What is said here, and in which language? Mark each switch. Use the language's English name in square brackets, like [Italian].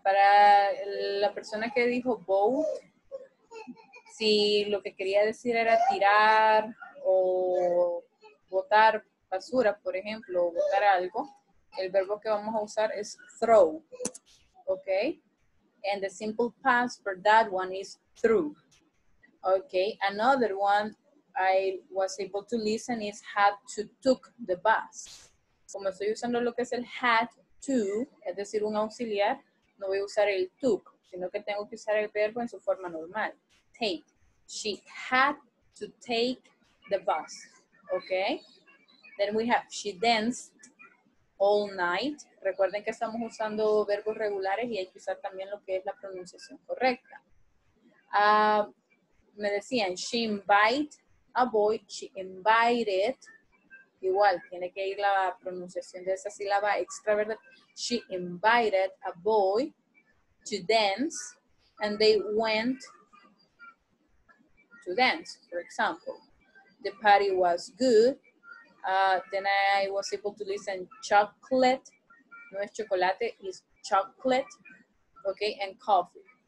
[Spanish] Para la persona que dijo vote, si lo que quería decir era tirar o votar basura, por ejemplo, o botar algo, el verbo que vamos a usar es throw, okay? [English] And the simple past for that one is threw, okay? Another one I was able to listen is had to took the bus. [Spanish] Como estoy usando lo que es el had to, es decir, un auxiliar, no voy a usar el took, sino que tengo que usar el verbo en su forma normal. Take. [English] She had to take the bus, okay? Then we have, she danced all night. [Spanish] Recuerden que estamos usando verbos regulares y hay que usar también lo que es la pronunciación correcta. Me decían, [English] she invite a boy, she invited. [Spanish] Igual, tiene que ir la pronunciación de esa sílaba extra, ¿verdad? [English] She invited a boy to dance and they went to dance, for example. The party was good. Then I was able to listen chocolate, [Spanish] no es chocolate, [English] is chocolate, okay, and coffee.